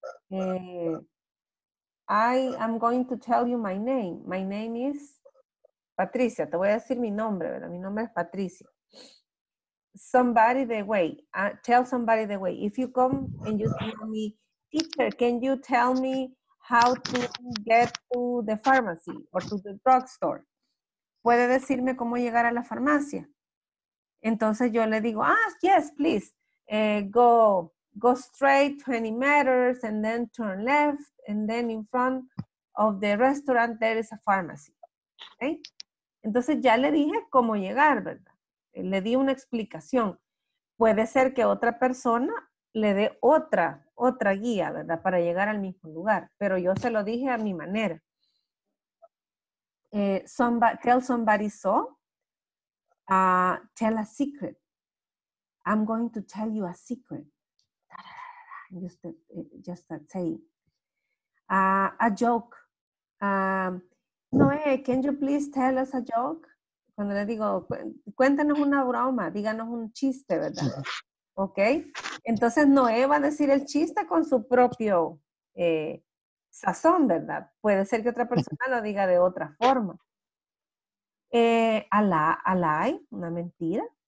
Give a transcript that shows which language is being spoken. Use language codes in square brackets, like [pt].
[en] I am going to tell you my name. My name is Patricia. [es] Te voy a decir mi nombre, ¿verdad? Mi nombre es Patricia. [en] Somebody the way. Tell somebody the way. If you come and you tell me, teacher, can you tell me how to get to the pharmacy or to the drugstore? [es] ¿Puede decirme cómo llegar a la farmacia? Entonces yo le digo, ah, [en] yes, please. Go straight 20 meters and then turn left and then in front of the restaurant there is a pharmacy. [es] Okay? Entonces ya le dije cómo llegar, ¿verdad? Le di una explicación. Puede ser que otra persona le dé otra guía, ¿verdad? Para llegar al mismo lugar. Pero yo se lo dije a mi manera. [en] Tell somebody so. Tell a secret. I'm going to tell you a secret. just say a joke. Noé, can you please tell us a joke? [es] Cuando le digo, cuéntanos una broma, díganos un chiste, ¿verdad? Ok. Entonces Noé va a decir el chiste con su propio sazón, ¿verdad? Puede ser que otra persona lo diga de otra forma. [en] A lie, [es] una mentira.